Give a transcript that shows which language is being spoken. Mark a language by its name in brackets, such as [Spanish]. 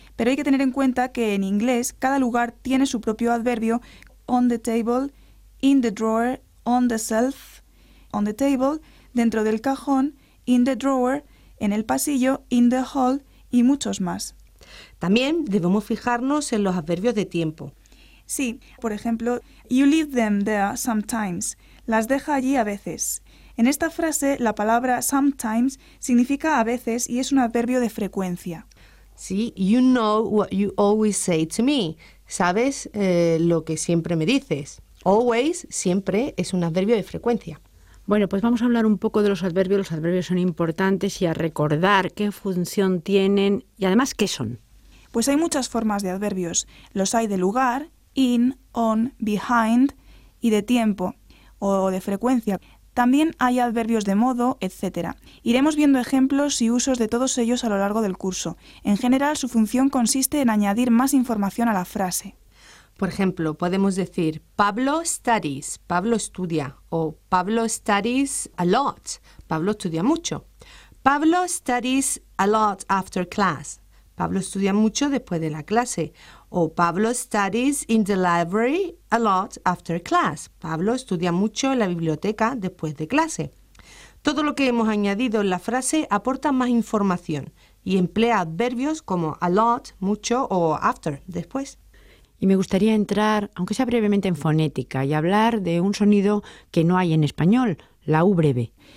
[Spanish] Pero hay que tener en cuenta que en inglés cada lugar tiene su propio adverbio: [English] on the table, in the drawer, on the shelf, on the table, [Spanish] dentro del cajón, [English] in the drawer, [Spanish] en el pasillo, [English] in the hall [Spanish] y muchos más. También debemos fijarnos en los adverbios de tiempo. Sí, por ejemplo, [English] you leave them there sometimes, [Spanish] las deja allí a veces. En esta frase, la palabra sometimes significa a veces y es un adverbio de frecuencia. [English] Sí, you know what you always say to me. [Spanish] Sabes lo que siempre me dices. Always, siempre, es un adverbio de frecuencia. Bueno, pues vamos a hablar un poco de los adverbios. Los adverbios son importantes y a recordar qué función tienen y además qué son. Pues hay muchas formas de adverbios. Los hay de lugar, in, on, behind, y de tiempo o de frecuencia. También hay adverbios de modo, etc. Iremos viendo ejemplos y usos de todos ellos a lo largo del curso. En general, su función consiste en añadir más información a la frase. Por ejemplo, podemos decir Pablo studies, Pablo estudia, o Pablo [English] studies a lot, [Spanish] Pablo estudia mucho. Pablo [English] studies a lot after class, [Spanish] Pablo estudia mucho después de la clase. [English] O Pablo studies in the library a lot after class. [Spanish] Pablo estudia mucho en la biblioteca después de clase. Todo lo que hemos añadido en la frase aporta más información y emplea adverbios como a lot, mucho o after, después. Y me gustaría entrar, aunque sea brevemente, en fonética y hablar de un sonido que no hay en español, la U breve.